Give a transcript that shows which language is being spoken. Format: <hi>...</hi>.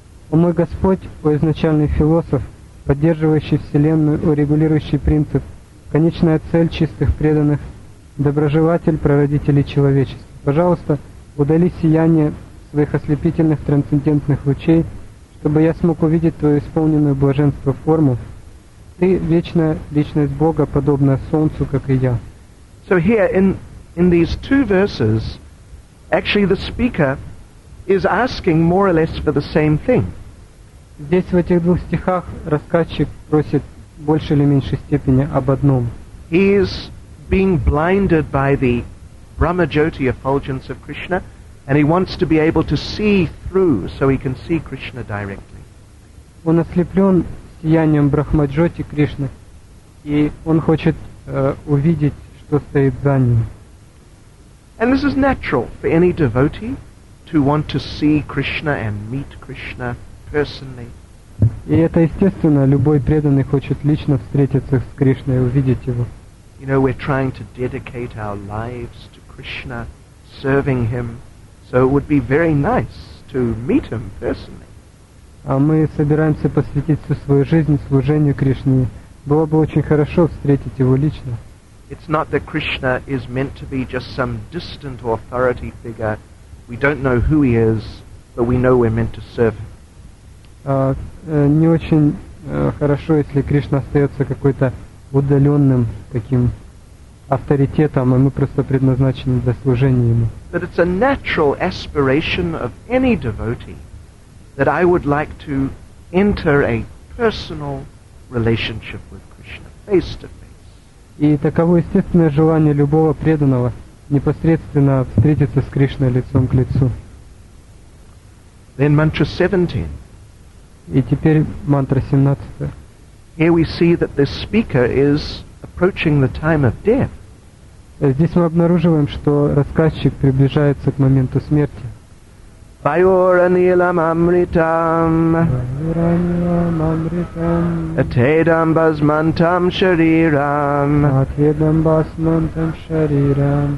<ru>О мой Господь, о изначальный философ, поддерживающий Вселенную, урегулирующий принцип, конечная цель чистых преданных, доброжелатель прародителей человечества. Пожалуйста, удали сияние своих ослепительных трансцендентных лучей, чтобы я смог увидеть твою исполненную блаженство форму. Ты вечная личность Бога, подобная Солнцу, как и я.</ru> <en>So here in these two verses, actually the speaker is asking more or less for the same thing.</en> <ru>Здесь в этих двух стихах рассказчик просит больше или меньшей степени об одном.</ru> <en>He is being blinded by the Brahma Jyoti effulgence of Krishna, and he wants to be able to see through, so he can see Krishna directly.</en> <ru>Он ослеплен сиянием Брахма Джоти Кришны, и он хочет увидеть, что стоит за ним.</ru> <en>And this is natural for any devotee to want to see Krishna and meet Krishna personally.</en> <ru>И это естественно, любой преданный хочет лично встретиться с Кришной и увидеть его.</ru> <en>You know, we're trying to dedicate our lives to Krishna, serving him. So it would be very nice to meet him personally.</en> <ru>А мы собираемся посвятить всю свою жизнь служению Кришне. Было бы очень хорошо встретить его лично.</ru> <en>It's not that Krishna is meant to be just some distant authority figure. We don't know who he is, but we know we're meant to serve him.</en> <ru>Не очень хорошо, если Кришна остается какой-то удаленным таким авторитетом, и мы просто предназначены для служения ему.</ru> <en>But it's a natural aspiration of any devotee that I would like to enter a personal relationship with Krishna, face to face.</en> <ru>И таково естественное желание любого преданного непосредственно встретиться с Кришной лицом к лицу.</ru> <en>Then mantra 17.</en> <ru>И теперь мантра 17.</ru> <en>Here we see that the speaker is approaching the time of death.</en> <ru>Здесь мы обнаруживаем, что рассказчик приближается к моменту смерти.</ru> <sa>Vayoranilam amritam. Vayoranilam amritam. Atedam basmantam shariram. Atedam basmantam shariram.</sa>